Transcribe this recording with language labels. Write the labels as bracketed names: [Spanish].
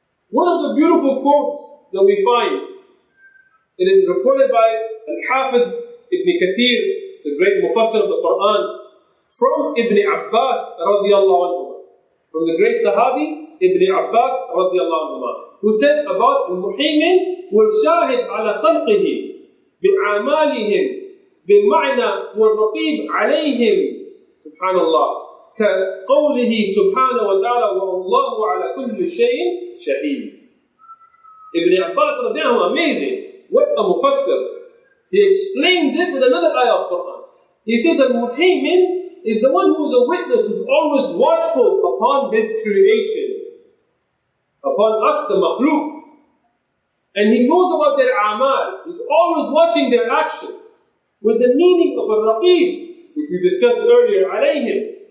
[English] One of the beautiful quotes that we find, it is reported by Al-Hafid Ibn Kathir, the great Mufassir of the Quran, from Ibn Abbas radiallahu anhu, from the great Sahabi Ibn Abbas radiallahu anhu, who said about Al-Muhaymin, [Arabic] wa shahid ala khalqihi, بأعمالهم بالمعنى والرقيب عليهم سبحان الله كقوله سبحانه وتعالى والله على كل شيء شهيد. [English] Ibn Abbas radiallahu anhu, amazing, what a mufassir. He explains it with another ayah of Quran. He says that Muhaymin is the one who is a witness, who is always watchful upon this creation, upon us, the makhluk. And he knows about their amal, he's always watching their actions, with the meaning of a raqib, which we discussed earlier, alayhim.